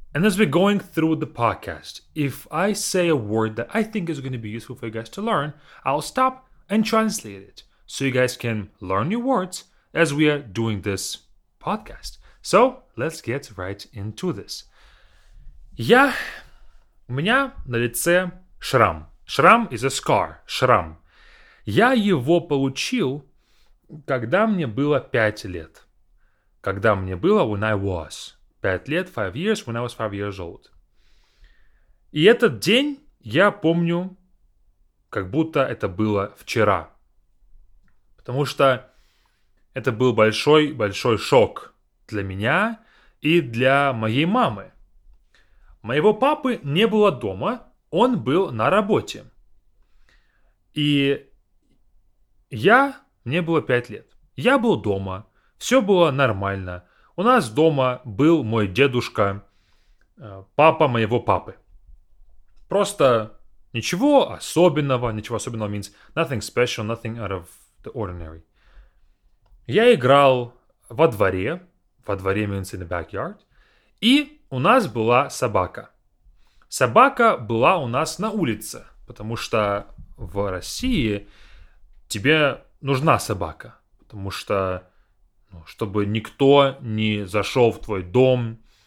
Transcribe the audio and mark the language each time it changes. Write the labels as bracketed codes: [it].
[en] And as we're going through the podcast, if I say a word that I think is going to be useful for you guys to learn, I'll stop and translate it so you guys can learn new words as we are doing this podcast. So let's get right into this. [ru] Я, у меня на лице шрам. [en] Шрам is a scar. [ru] Шрам. Я его получил, когда мне было 5 лет. Когда мне было, [en] when I was. [ru] 5 лет, [en] 5 years, when I was 5 years old. [ru] И этот день я помню, как будто это было вчера. Потому что это был большой-большой шок для меня и для моей мамы. Моего папы не было дома, он был на работе. И мне было 5 лет. Я был дома, все было нормально. У нас дома был мой дедушка, папа моего папы. Просто ничего особенного [en] means nothing special, nothing out of the ordinary. [ru] Я играл во дворе. Во дворе [en] means in the backyard. [ru] И у нас была собака. Собака была у нас на улице. Потому что в России тебе нужна собака. Потому что, ну, чтобы никто не зашел в твой дом.